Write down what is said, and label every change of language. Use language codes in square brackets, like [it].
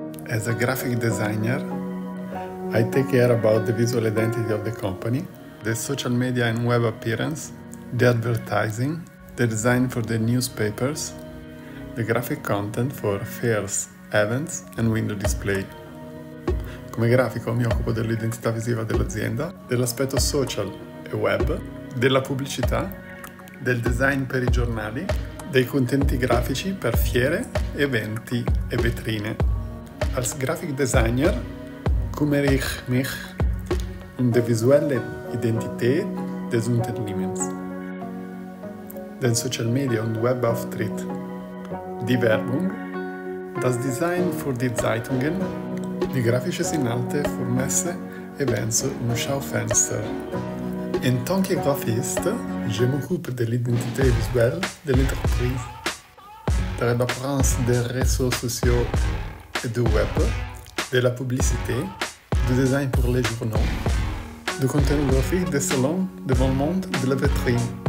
[en] As a graphic designer, I take care about the visual identity of the company, the social media and web appearance, the advertising, the design for the newspapers, the graphic content for fairs, events and window display. [it] Come grafico mi occupo dell'identità visiva dell'azienda, dell'aspetto social e web, della pubblicità, del design per i giornali, dei contenuti grafici per fiere, eventi e vetrine. [de] Als graphic designer kümmere ich mich um die visuelle Identität des Unternehmens, den Social Media und Webauftritt, die Werbung, das Design für die Zeitungen, die grafischen Inhalte für Messe, Events und Schaufenster. [fr] In tant que graphiste, je m'occupe de l'identité visuelle de l'entreprise, de l'apparence des réseaux sociaux et du web, de la publicité, du design pour les journaux, du contenu graphique des salons, de bon monde, de la vitrine.